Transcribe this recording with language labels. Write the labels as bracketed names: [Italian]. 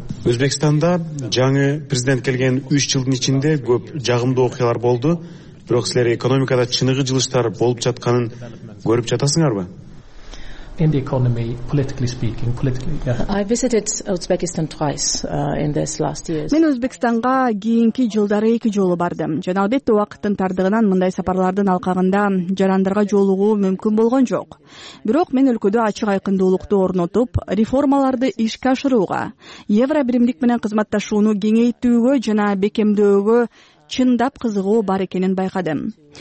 [Kyrgyz] Өзбекстанда жаңы президент келген 3 жылдын ичинде көп жагымдуу окуялар болду. Бирок силер экономикада чыныгы жылыштар болуп жатканын көрүп жатасыңарбы? [English] In the economy, politically speaking, I visited Uzbekistan twice in this last year. [Kyrgyz] Мен Өзбекстанга кийинки жылдары 2 жолу бардым. Жана албетте убакыттын тардыгынан мындай сапарлардын алкагында жарандарга жолугуу мүмкүн болгон жок. Бирок мен өлкөдө ачык айкындуулукту орнотуп, реформаларды ишке ашырууга, Евробиримдик менен кызматташууну кеңейтүүгө жана бекемдөөгө чындап кызыгуу бар экенин байкадым.